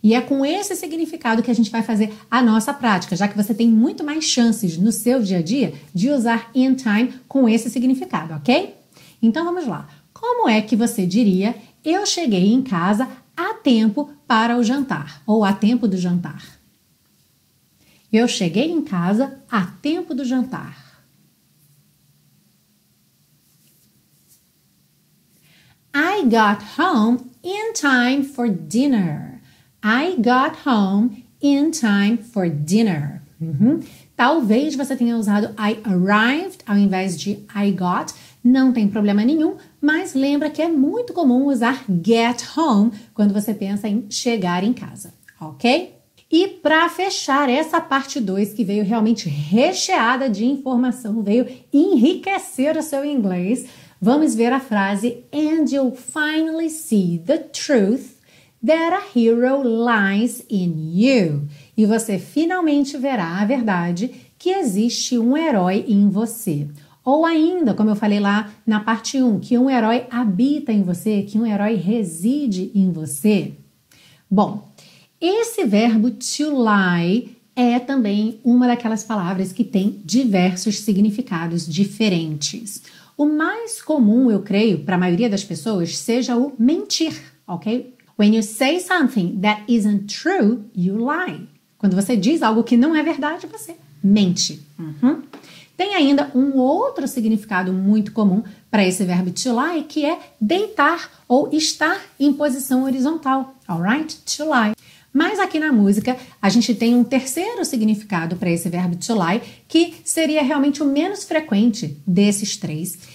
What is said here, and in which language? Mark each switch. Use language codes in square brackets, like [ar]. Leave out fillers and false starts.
[pt] E é com esse significado que a gente vai fazer a nossa prática, já que você tem muito mais chances no seu dia a dia de usar in time com esse significado, ok? Então vamos lá. Como é que você diria, eu cheguei em casa a tempo para o jantar, ou a tempo do jantar? Eu cheguei em casa a tempo do jantar. [en] I got home in time for dinner. I got home in time for dinner. Uhum. [pt] Talvez você tenha usado [en] I arrived [pt] ao invés de [en] I got. [pt] Não tem problema nenhum, mas lembra que é muito comum usar get home quando você pensa em chegar em casa, ok? E para fechar essa parte 2, que veio realmente recheada de informação, veio enriquecer o seu inglês, vamos ver a frase, [en] and you'll finally see the truth that a hero lies in you. [pt] E você finalmente verá a verdade que existe um herói em você. Ou ainda, como eu falei lá na parte 1, que um herói habita em você, que um herói reside em você. Bom, esse verbo to lie é também uma daquelas palavras que tem diversos significados diferentes. O mais comum, eu creio, para a maioria das pessoas, seja o mentir, ok? [en] When you say something that isn't true, you lie. [pt] Quando você diz algo que não é verdade, você mente. Uhum. Tem ainda um outro significado muito comum para esse verbo to lie, que é deitar ou estar em posição horizontal, alright? To lie. Mas aqui na música, a gente tem um terceiro significado para esse verbo to lie, que seria realmente o menos frequente desses três.